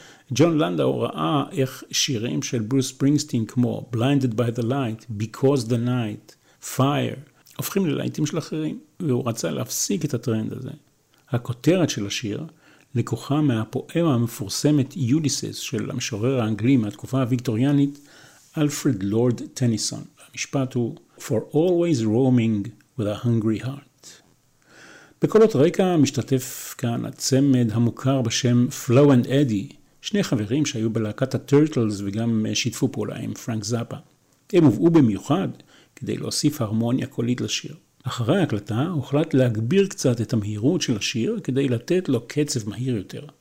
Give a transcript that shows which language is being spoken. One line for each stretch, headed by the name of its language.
Hebrew: ג'ון לנדאו ראה איך שירים של ברוס ספרינגסטין כמו Blinded by the Light, Because the Night, Fire, הופכים ללהיטים של אחרים, והוא רצה להפסיק את הטרנד הזה. הכותרת של השיר לקוחה מהפואמה המפורסמת Ulysses של המשורר האנגלי מהתקופה הוויקטוריאנית, אלפרד לורד טניסון. המשפט הוא
English: For always roaming with a hungry heart.
Hebrew: בקולות רקע משתתף כאן הצמד המוכר בשם פלו אנד אדי, שני חברים שהיו בלהקת הטרטלס וגם שיתפו פעולה עם פרנק זאפה. הם הובאו במיוחד כדי להוסיף הרמוניה קולית לשיר. אחרי ההקלטה הוחלט להגביר קצת את המהירות של השיר כדי לתת לו קצב מהיר יותר.